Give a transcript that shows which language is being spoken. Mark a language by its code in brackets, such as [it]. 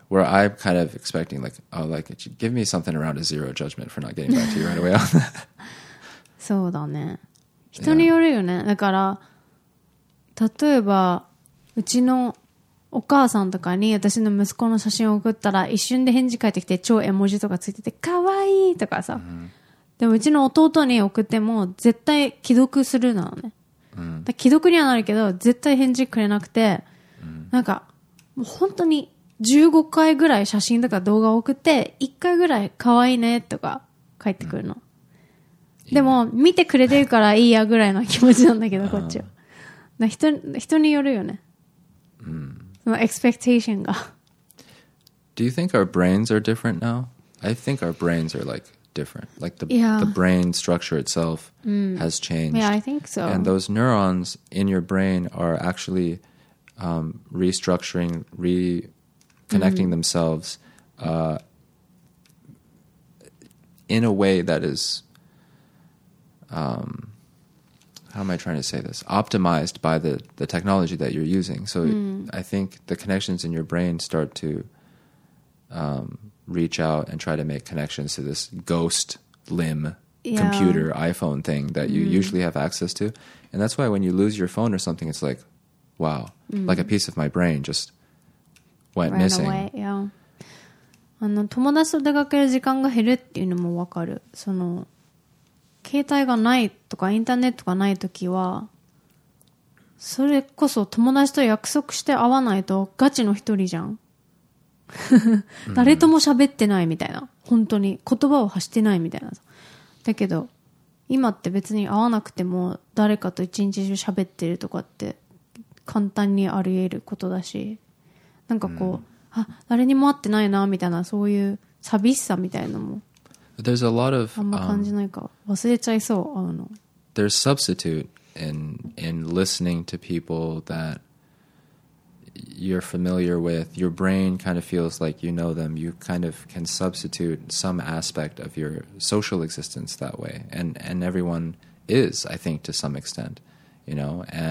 [en] Where I'm kind of expecting like, oh, like give me something around a zero judgment for not getting back to you right away. [ja] そうだね。人によるよね。だから例えばうちのお母さんとかに私の息子の写真を送ったら一瞬で返事返ってきて超絵文字とかついててかわいいとかさ。でもうちの弟に送っても絶対既読するなのね。だ既読にはなるけど絶対返事くれなくて、なんかもう本当に15回ぐらい写真とか動画を送って1回ぐらい可愛いねとか返ってくるの、でも見てくれてるからいいやぐらいの気持ちなんだけどこっちは、だ 人によるよね、そのエクスペクテーションが。 [en] Do you think our brains are different now? I think our brains are likeDifferent, like the brain structure itself has changed. Yeah, I think so. And those neurons in your brain are actually restructuring, reconnecting themselves in a way that is how am I trying to say this? Optimized by the technology that you're using. So I think the connections in your brain start to. Reach out and try to make connections to this ghost limb computer iPhone thing that you usually have access to. And that's why when you lose your phone or something, it's like, wow, like a piece of my brain just went right missing. [ja] Away, あの、友達と出かける時間が減るっていうのもわかる。その、携帯がないとかインターネットがないときは、それこそ友達と約束して会わないとガチの一人じゃん。誰とも喋ってないみたいな、本当に言葉を発してないみたいな。だけど今って別に会わなくても誰かと一日中喋ってるとかって簡単にあり得ることだし、なんかこう、あ、誰にも会ってないなみたいな、そういう寂しさみたいなのもあんま感じないか、忘れちゃいそう会うの。 [en] There's substitute in listening to people thatYou're familiar with, your brain kind of feels like you know them. You kind of can substitute some aspect of your social existence that way. And everyone is, I think, to some extent, you know.